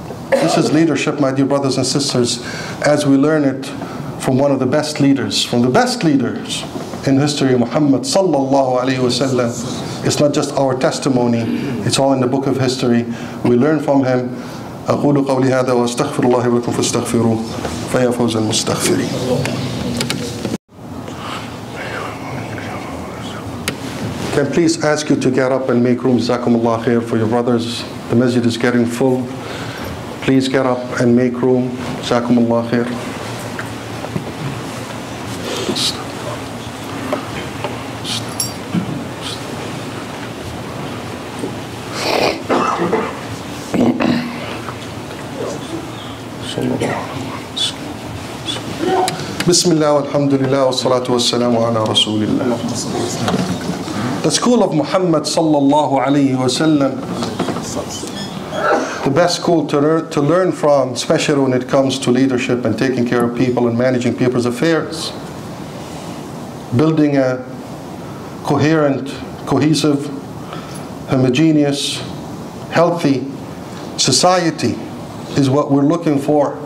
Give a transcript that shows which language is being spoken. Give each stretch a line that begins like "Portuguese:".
English: This is leadership, my dear brothers and sisters, as we learn it from one of the best leaders, from the best leaders in history, Muhammad sallallahu alaihi wasallam. It's not just our testimony, it's all in the book of history. We learn from him.
Arabic: أقول قولي هذا وأستغفر الله لكم فاستغفروه فيا فوز المستغفرين.
English: Can please ask you to get up and make room,
Arabic: جزاكم الله خير,
English: for your brothers. The masjid is getting full. Please get up and make room,
Arabic: جزاكم الله خير. بسم الله والحمد لله والصلاة والسلام على رسول الله.
English: The school of Muhammad
Arabic: صلى الله عليه وسلم,
English: the best school to learn from, especially when it comes to leadership and taking care of people and managing people's affairs, building a coherent, cohesive, homogeneous, healthy society is what we're looking for.